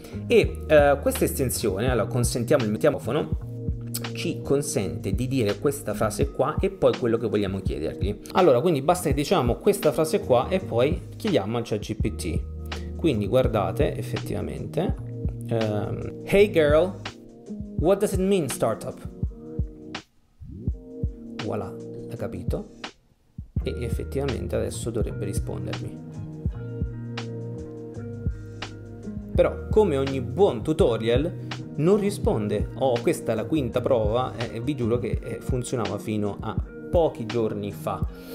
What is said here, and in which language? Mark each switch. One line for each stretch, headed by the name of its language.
Italian: E questa estensione, allora consentiamo il microfono, ci consente di dire questa frase qua e poi quello che vogliamo chiedergli. Allora, quindi basta che diciamo questa frase qua e poi chiediamo a ChatGPT. Quindi guardate, effettivamente.
English: Hey girl, what does it mean startup?
Italian: Voilà, l'ha capito. E effettivamente adesso dovrebbe rispondermi. Però, come ogni buon tutorial, non risponde. Oh, questa è la quinta prova e vi giuro che funzionava fino a pochi giorni fa.